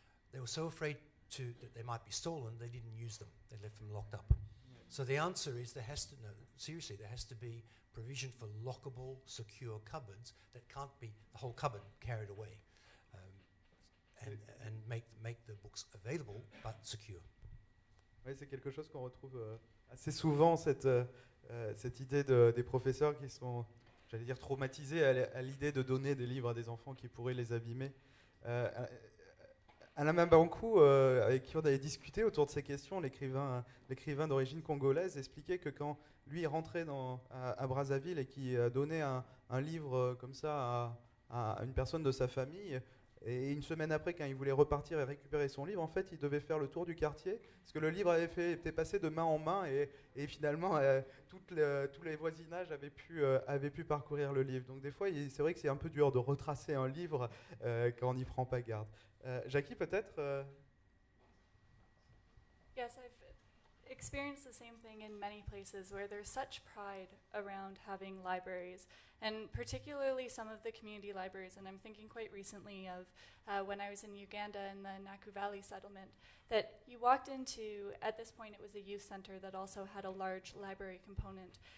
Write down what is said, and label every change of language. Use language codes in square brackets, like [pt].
[en] They were so afraid that they might be stolen, they didn't use them. They left them locked up. So the answer is there has to be provision for lockable, secure cupboards that can't be the whole cupboard carried away, and make the books available but secure. [fr] Oui, c'est quelque chose qu'on retrouve assez souvent, cette idée des professeurs qui sont, j'allais dire, traumatisés à l'idée de donner des livres à des enfants qui pourraient les abîmer. Alain Mbankou, avec qui on avait discuté autour de ces questions, l'écrivain d'origine congolaise, expliquait que quand lui est rentré à Brazzaville et qu'il a donné un livre comme ça à une personne de sa famille, et une semaine après, quand il voulait repartir et récupérer son livre, en fait, il devait faire le tour du quartier, parce que le livre était passé de main en main, et finalement, tous les voisinages avaient pu parcourir le livre. Donc des fois, c'est vrai que c'est un peu dur de retracer un livre quand on n'y prend pas garde. Jackie, peut-être? [en] Yes, I've experienced the same thing in many places where there's such pride around having libraries, and particularly some of the community libraries. And I'm thinking quite recently of when I was in Uganda in the Naku Valley settlement, that you walked into, at this point it was a youth center that also had a large library component.